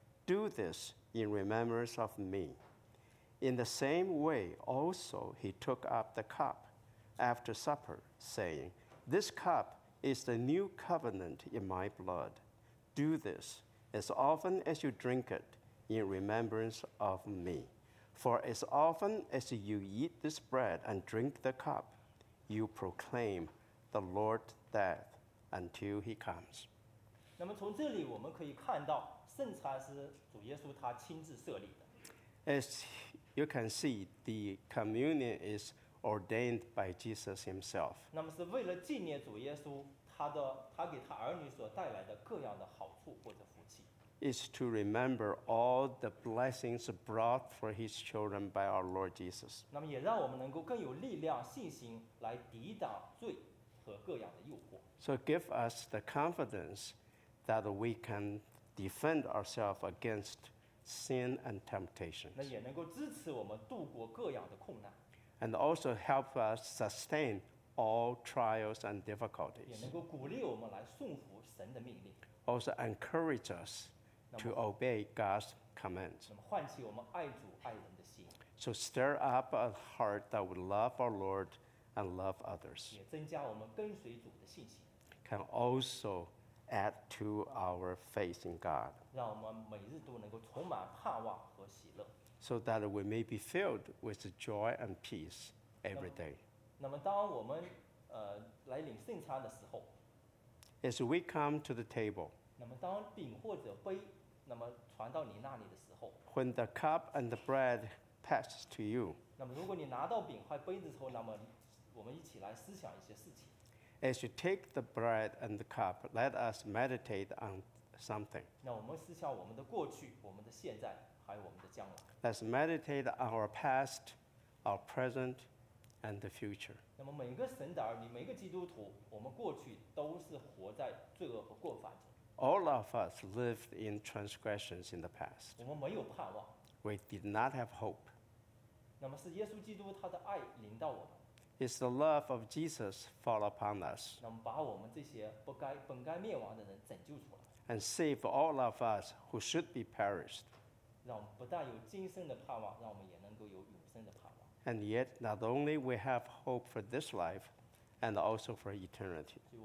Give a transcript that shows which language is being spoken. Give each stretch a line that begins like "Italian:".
English: Do this in remembrance of me." In the same way, also, he took up the cup after supper, saying, "This cup is the new covenant in my blood. Do this as often as you drink it in remembrance of me. For as often as you eat this bread and drink the cup, you proclaim the Lord's death until he comes.
Chinese: 那么从这里我们可以看到圣餐是主耶稣他亲自设立的。
English: As you can see, the communion is ordained by Jesus himself.
Chinese: 那么是为了纪念主耶稣他给他儿女所带来的各样的好处或者福气。
English: Is to remember all the blessings brought for his children by our Lord Jesus.
Chinese: 那么也让我们能够更有力量信心来抵挡罪和各样的诱惑。
English: So give us the confidence that we can defend ourselves against sin and temptations.
Chinese: 那也能够支持我们度过各样的困难。
English: And also help us sustain all trials and difficulties.
Chinese: 也能够鼓励我们来顺服神的命令。
English: Also encourage us to obey God's commands.
Chinese: 那么唤起我们爱主爱人的心。
English: So stir up a heart that would love our Lord and love others.
Chinese: 也增加我们跟随主的信心。
English: Can also add to our faith in God.
Chinese: 让我们每日都能够充满盼望和喜乐。
English: So that we may be filled with joy and peace every day.
Chinese: 那么当我们来领圣餐的时候。
English: As we come to the table,
Chinese: 那么当饼或者杯那么传到你那里的时候
English: when the cup and the bread pass to you,
Chinese: 那么如果你拿到饼或杯子之后那么我们一起来思想一些事情
English: As you take the bread and the cup, let us meditate on something.
Chinese: 那我们思想我们的过去我们的现在还有我们的将来
English: Let's meditate on our past, our present,And the future.
Chinese: 那么每个神的儿女，每个基督徒，我们过去都是活在罪恶和过犯中。
English: All of us lived in transgressions in the past.
Chinese: 我们没有盼望。
English: We did not have hope.
Chinese: 那么是耶稣基督他的爱临到我们。
English: It's the love of Jesus fall upon us.
Chinese: 那么把我们这些本该灭亡的人拯救出来。
English: And save all of us who should be perished.
Chinese: 让我们不但有今生的盼望，让我们也能够有永生的盼望。
English: And yet, not only we have hope for this life, and also for eternity.